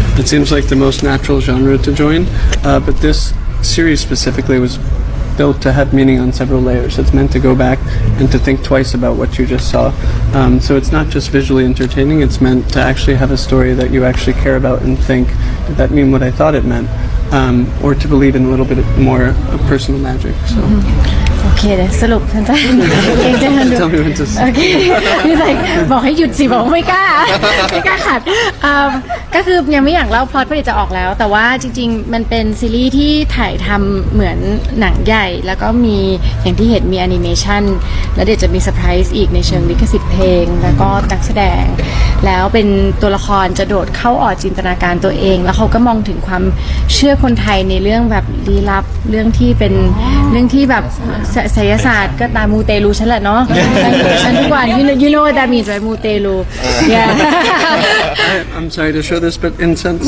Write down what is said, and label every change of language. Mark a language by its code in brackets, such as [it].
[en] It seems like the most natural genre to join, but this series specifically was built to have meaning on several layers. It's meant to go back and to think twice about what you just saw. So it's not just visually entertaining. It's meant to actually have a story that you actually care about and think, did that mean what I thought it meant? Or to believe in a little bit more of personal magic. So. Mm-hmm. [th] โอเคเดี๋ยวสรุปสั้นๆเ ก่งจัง โอเคนี่ไงบอกให้หยุดสิบอกไม่กล้าไม่กล้าขัดก็คือยังไม่อยากเล่าพล็อตเพราะจะออกแล้วแต่ว่าจริงๆมันเป็นซีรีส์ที่ถ่ายทำเหมือนหนังใหญ่แล้วก็มีอย่างที่เห็นมีแอนิเมชันแล้วเดี๋ยวจะมีเซอร์ไพรส์อีกในเชิงลิขสิทธิ์เพลงแล้วก็นักแสดง แล้วเป็นตัวละครจะโดดเข้าออดจินตนาการตัวเองแล้วเขาก็มองถึงความเชื่อคนไทยในเรื่องแบบลี้ลับเรื่องที่เป็นเรื่องที่แบบไสยศาสตร์ก็ตามูเตลูฉันแหละเนาะฉันทุกวัน [en] you know what that means right [th] มูเตลู [en] yeah I'm sorry to show this but incense